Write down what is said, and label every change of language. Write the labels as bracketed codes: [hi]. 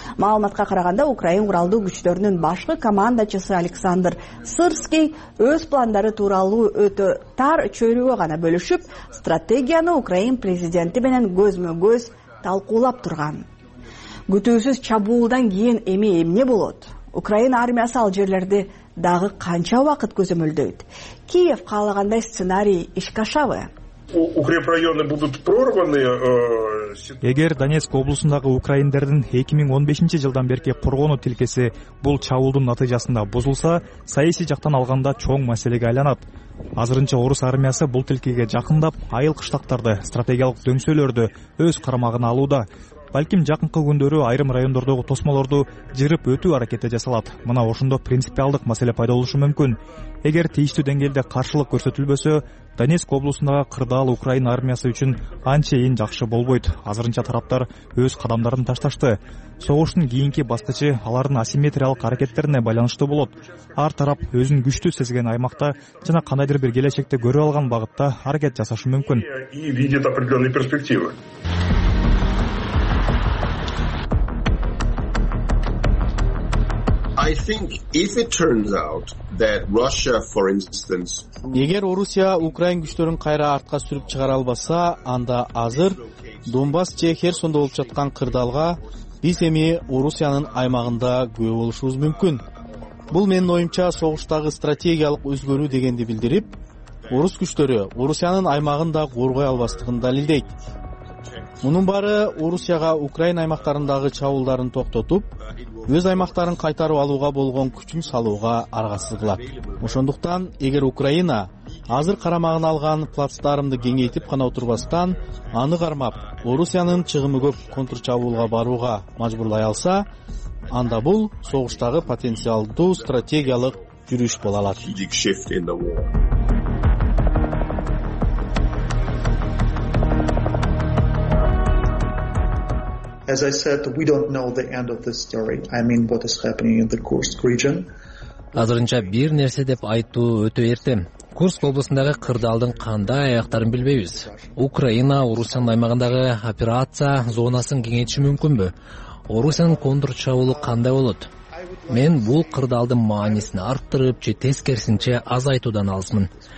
[ky] Маалыматка караганда Украин куралдуу күчтөрүнүн башкы командачысы Александр Сырский өз пландары тууралуу өтө тар чөйрөгө гана бөлүшүп, стратегияны Украин президенти менен көзмө көз талкуулап турган. Күтүүсүз чабуулдан кийин эми эмне болот? Украина армиясы ал жерлерди дагы канча убакыт көзөмөлдөйт? Киев каалагандай сценарий ишке ашабы? [ru] Укрепрайоны будут прорваны. [ky] Эгер Донецк облусундагы украиндердин 2015 жылдан берки коргоону тилкеси бул чабуулдун натыйжасында бузулса, саясий жактан алганда чоң маселеге айланат. Азырынча орус армиясы бул тилкеге жакындап, айыл кыштактарды, стратегиялык дөңсөлөрдү өз карамагына алууда. Балким жакынкы күндөрү айрым райондордогу тосмолорду жырып өтүү аракети жасалат. Мына ошондо принципиалдык маселе пайда болушу мүмкүн. Эгер тийиштүү деңгээлде каршылык көрсөтүлбөсө, Донецк облусундагы кырдаал Украин армиясы үчүн анчейин жакшы болбойт. Азырынча тараптар өз кадамдарын ташташты. Согуштун кийинки баскычы алардын асимметриялык аракеттерине байланыштуу болот. Ар тарап өзүн күчтүү сезген аймакта жана кандайдыр бир келечекте көрө алган багытта аракет жасашы мүмкүн. [ru] И видит определённые перспективы. [en] I think if it turns out that Russia, for instance, [ky] Эгер Орусия Украин күчтөрүн кайра артка сүрүп чыгара албаса, анда азыр Донбасс же Херсондо болуп жаткан кырдаалга биз эми Орусиянын аймагында күбө болушубуз мүмкүн. Бул менин оюмча согуштагы стратегиялык өзгөрүү дегенди билдирип, орус күчтөрү Орусиянын аймагын да коргой албастыгын далилдейт. Мунун баары Орусияга Украин аймактарындагы чабуулдарын токтотуп, өз аймактарын кайтарып алууга болгон күчүн салууга аргасыз кылат. Ошондуктан эгер Украина азыр карамагына алган плацдармды кеңейтип гана отурбастан, аны кармап, Орусиянын чыгымы көп контрчабуулга барууга мажбурлай алса, анда бул согуштагы потенциалдуу стратегиялык жүрүш боло алат. [en] As I said, we don't know the end of this story. I mean, what is happening in the Kursk region? [ky] Азырынча бир нерсе деп айтуу өтө эрте. Курск облусундагы кырдаалдын кандай аяктарын билбейбиз. Украина Орусиянын аймагындагы операция зонасын кеңейтиши мүмкүнбү? Орусиянын контрчабуулу кандай болот? Мен бул кырдаалдын маанисин арттырып же тескерисинче азайтуудан алысмын.